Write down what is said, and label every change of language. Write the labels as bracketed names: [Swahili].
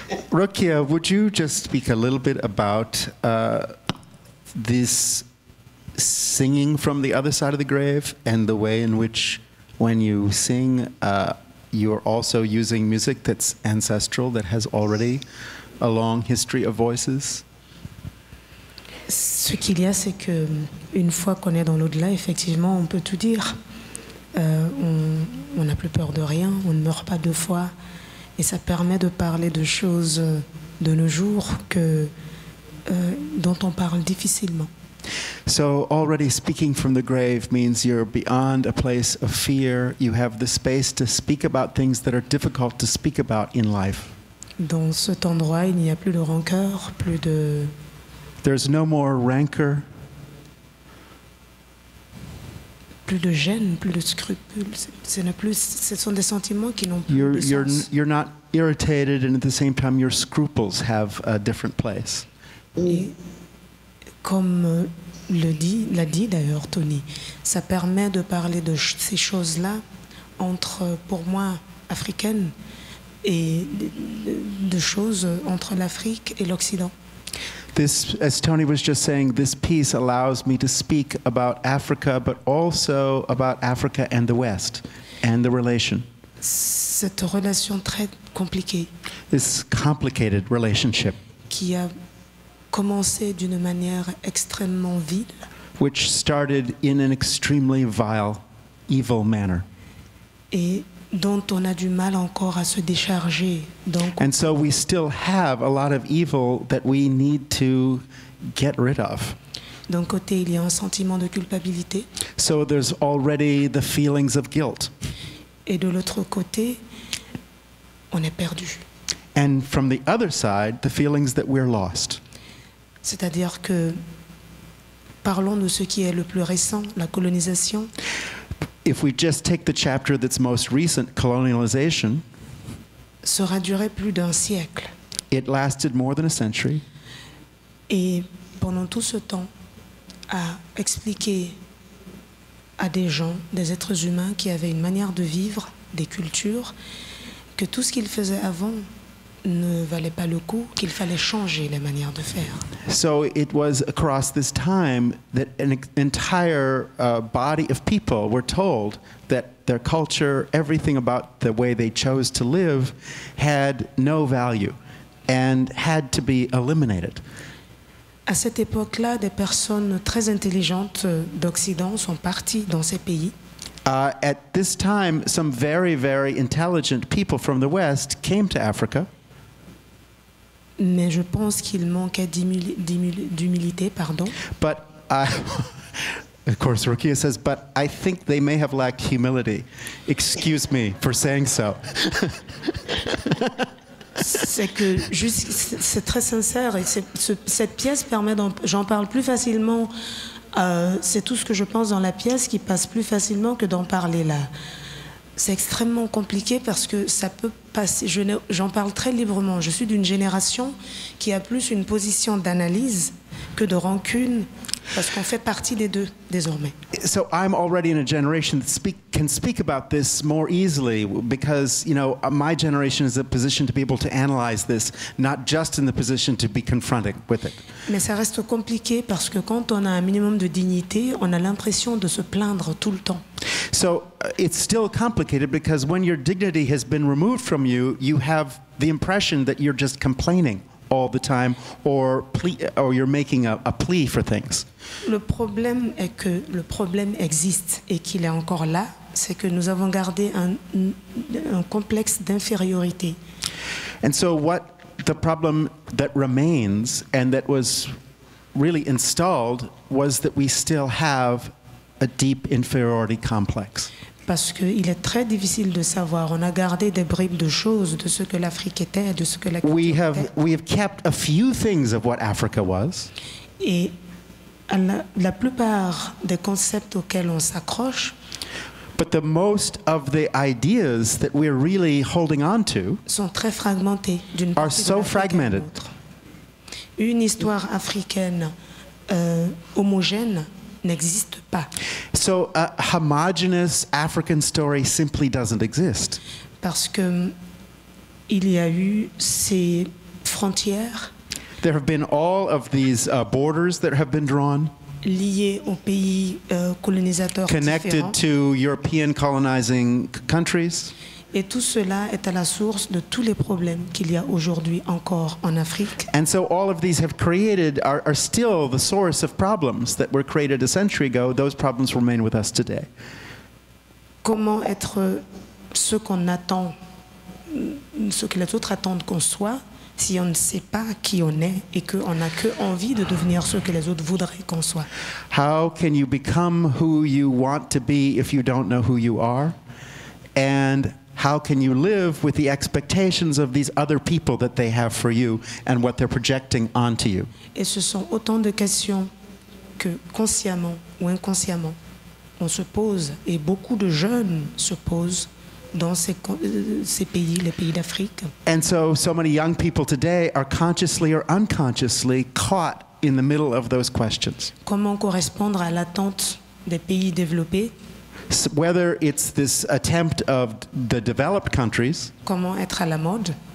[English] Rokia, would you just speak a little bit about this singing from the other side of the grave and the way in which, when you sing, you're also using music that's ancestral, that has already a long history of voices? [French] Ce qu'il y a, c'est que une fois qu'on est dans l'au-delà, effectivement, on peut tout dire. On n'a plus peur de rien, on ne meurt pas deux fois. Et ça permet de parler de choses de nos jours que dont on parle difficilement. [English] So already speaking from the grave means you're beyond a place of fear. You have the space to speak about things that are difficult to speak about in life. [French] Dans cet endroit, il n'y a plus de rancœur, plus de... [English] There's no more rancor. [French] Plus de gêne, plus de scrupules. Ce n'est plus, ce sont des sentiments qui n'ont plus [English] you're [French] de sens. [English] You're not irritated, and at the same time, your scruples have a different place. [French] Comme le dit, l'a dit d'ailleurs Toni, ça permet de parler de ces choses-là entre, pour moi, africaine et de choses entre l'Afrique et l'Occident. [English] This, as Toni was just saying, this piece allows me to speak about Africa, but also about Africa and the West and the relation. [French] Cette relation très compliquée. [English] This complicated relationship. [French] Qui a commencé d'une manière extrêmement vile. [English] Which started in an extremely vile, evil manner. [French] Et dont on a du mal encore à se décharger. Donc, [English] and so we still have a lot of evil that we need to get rid of. [French] D'un côté, il y a un sentiment de culpabilité. [English] So there's already the feelings of guilt. [French] Et de l'autre côté, on est perdu. [English] And from the other side, the feelings that we're lost. [French] C'est-à-dire que parlons de ce qui est le plus récent, la colonisation. [English] If we just take the chapter that's most recent, colonialization, [French] sera duré plus d'un siècle. [English] It lasted more than a century. [French] Et pendant tout ce temps, a expliqué à des gens, des êtres humains qui avaient une manière de vivre, des cultures, que tout ce qu'ils faisaient avant ne valait pas le coup, qu'il fallait changer les manières de faire. [English] So it was across this time that an entire body of people were told that their culture, everything about the way they chose to live, had no value and had to be eliminated. [French] À cette époque-là, des personnes très intelligentes d'Occident sont parties dans ces pays. [English] At this time, some very, very intelligent people from the West came to Africa. [French] Mais je pense qu'il manquait d'humilité, pardon. [English] But, of course, Rokia says, but I think they may have lacked humility. Excuse me for saying so. [French] C'est que, juste, c'est très sincère, et cette pièce permet, j'en parle plus facilement, c'est tout ce que je pense dans la pièce qui passe plus facilement que d'en parler là. C'est extrêmement compliqué parce que ça peut passer. J'en parle très librement. Je suis d'une génération qui a plus une position d'analyse que de rancune, parce qu'on fait partie des deux désormais. [English] So I'm already in a generation that can speak about this more easily because, you know, my generation is in a position to be able to analyze this, not just in the position to be confronted with it. [French] Mais ça reste compliqué parce que quand on a un minimum de dignité, on a l'impression de se plaindre tout le temps. [English] So it's still complicated because when your dignity has been removed from you, you have the impression that you're just complaining all the time or you're making a plea for things. [French] Le problème est que le problème existe et qu'il est encore là, c'est que nous avons gardé un complexe d'infériorité. [English] And so what the problem that remains and that was really installed was that we still have a deep inferiority complex. [French] Parce qu'il est très difficile de savoir. On a gardé des bribes de choses, de ce que l'Afrique était, de ce que la culture était. [English] We have kept a few things of what Africa was. [French] Et la plupart des concepts auxquels on s'accroche. [English] But the most of the ideas that we're really holding on to [French] sont très fragmentés d'une [English] are so fragmented. [French] Une histoire africaine homogène n'existe pas. [English] So a homogeneous African story simply doesn't exist. [French] Parce que il y a eu ces frontières. [English] There have been all of these borders that have been drawn. [French] Liées aux pays colonisateurs. [English] Connected [French] différents. [English] To European colonizing countries. [French] Et tout cela est à la source de tous les problèmes qu'il y a aujourd'hui encore en Afrique. [English] And so all of these have created are still the source of problems that were created a century ago. Those problems remain with us today. [French] Comment être ce qu'on attend, ce que les autres attendent qu'on soit, si on ne sait pas qui on est et qu'on n'a que envie de devenir ce que les autres voudraient qu'on soit. [English] How can you become who you want to be if you don't know who you are? And how can you live with the expectations of these other people that they have for you and what they're projecting onto you? [French] Et ce sont autant de questions que consciemment ou inconsciemment on se pose et beaucoup de jeunes se posent dans ces pays, les pays d'Afrique. [English] And so many young people today are consciously or unconsciously caught in the middle of those questions. [French] Comment correspondre à l'attente des pays développés? [English] Whether it's this attempt of the developed countries. [French] Comment être à la mode?